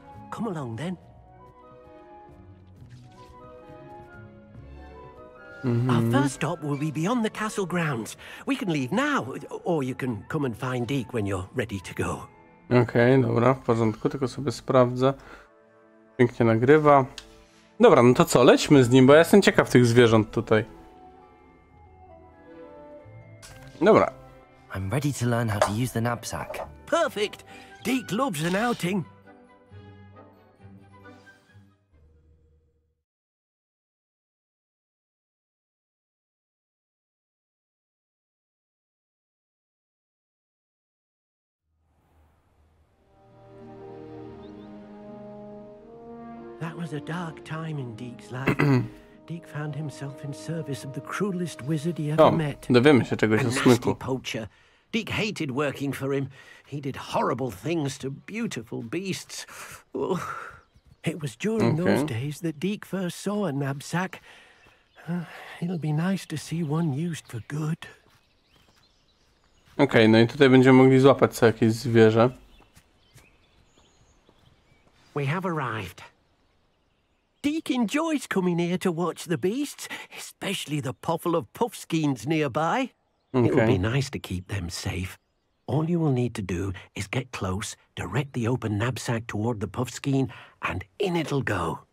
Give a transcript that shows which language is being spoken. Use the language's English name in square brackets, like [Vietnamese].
[English] Come along then. Mm-hmm. Our first stop will be beyond the castle grounds. We can leave now, or you can come and find Deke when you're ready to go. [Polish] Okay, dobra, w porządku, tylko sobie sprawdzę. Pięknie nagrywa. Dobra, no to co, lećmy z nim, bo ja jestem ciekaw tych zwierząt tutaj. Dobra. [English] I'm ready to learn how to use the knapsack. Perfect. Deke loves an outing. A dark time in Deke's life. Deke found himself in service of the cruelest wizard he ever met. [Polish] Dowiemy się czegoś o Smyku. [English] Nasty poacher. Deke hated working for him. He did horrible things to beautiful beasts. Oh. It was during those days that Deke first saw a knapsack. It'll be nice to see one used for good. [Polish] Okej, no i tutaj będziemy mogli złapać sobie jakieś zwierzę. [English] We have arrived. Deke enjoys coming here to watch the beasts, especially the puffle of puffskeins nearby. Okay. It would be nice to keep them safe. All you will need to do is get close, direct the open knapsack toward the puffskein, and in it'll go.